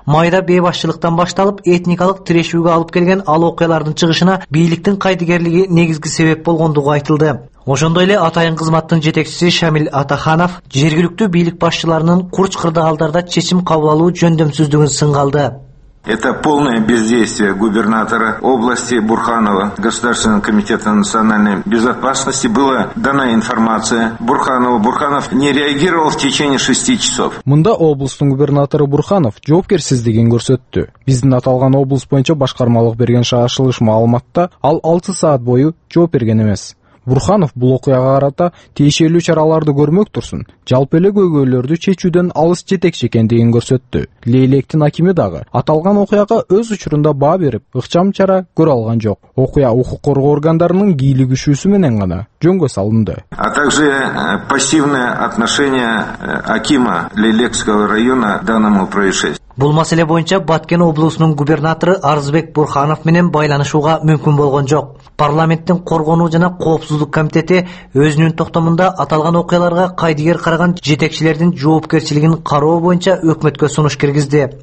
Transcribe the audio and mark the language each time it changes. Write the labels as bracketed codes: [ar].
[ky] Майда бейбашчылыктан башталып этникалык тирешүүгө алып келген ал окуялардын чыгышына бийликтин кайдыгерлиги негизги себеп болгондугу айтылды. Ошондой эле атайын кызматтын жетекчиси Шамиль Атаханов жергиликтүү бийлик башчыларынын курч кырдаалдарда чечим кабыл алуу жөндөмсүздүгүн сынга алды. [ru] Это полное бездействие губернатора области Бурханова, Государственного комитета национальной безопасности. Была дана информация Бурханову. Бурханов не реагировал в течение 6 часов. [ky] Мында областтун губернатору Бурханов жоопкерсиздигин көрсөттү. Биздин аталган облус боюнча башкармалык берген шашылыш маалыматта ал 6 саат бою жооп берген эмес. Бурханов бул окуяга карата тиешелүү чараларды көрмөк турсун, жалпы эле көйгөйлөрдү чечүүдөн алыс жетекчи экендигин көрсөттү. Лейлектин акими дагы аталган окуяга өз учурунда баа берип, ыкчам чара көрө алган жок. Окуя укук коргоо органдарынын кийлигишүүсү менен гана жөнгө салынды. [ru] А также пассивное отношение акима Лейлекского района к данному происшествию. [ky] Бул маселе боюнча Баткен облусунун губернатору Арзбек Бурханов менен байланышууга мүмкүн болгон жок. Парламенттин коргоонуу жана коопсуздук комитети өзүнүн токтомунда аталган окуяларга кайдыгер караган жетекчилердин жоопкерчилигин кароо боюнча өкмөткө сунуш киргизди.